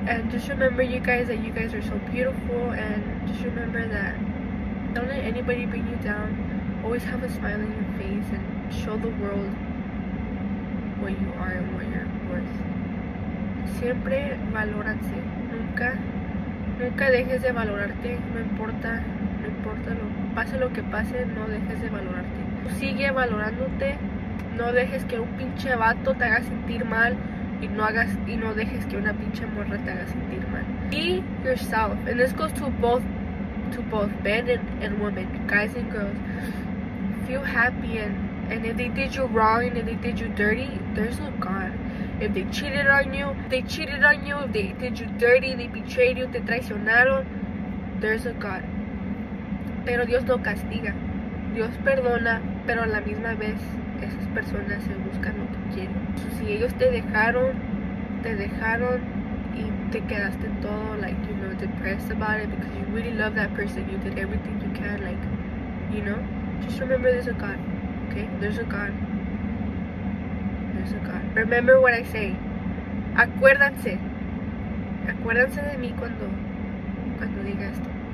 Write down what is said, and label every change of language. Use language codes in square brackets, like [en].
[en] And just remember, you guys, that you guys are so beautiful. And just remember that don't let anybody bring you down. Always have a smile on your face and show the world what you are and what you're worth. [es] Siempre valórate. Nunca dejes de valorarte. No importa lo pase lo que pase, no dejes de valorarte. Sigue valorándote, no dejes que un pinche vato te haga sentir mal, y no dejes que una pinche morra te haga sentir mal. [en] Be yourself, and this goes to both men and women, guys and girls. Feel happy, and if they did you wrong, and if they did you dirty, there's no God. If they cheated on you, if they did you dirty, they betrayed you, [es] te traicionaron, [en] there's a God. [es] Pero Dios no castiga. Dios perdona, pero a la misma vez esas personas se buscan lo que quieren. Si ellos te dejaron y te quedaste todo, [en] like, you know, depressed about it because you really love that person, you did everything you can, like, you know, just remember there's a God, okay? There's a God. Remember what I say. [es] Acuérdense de mí cuando diga esto.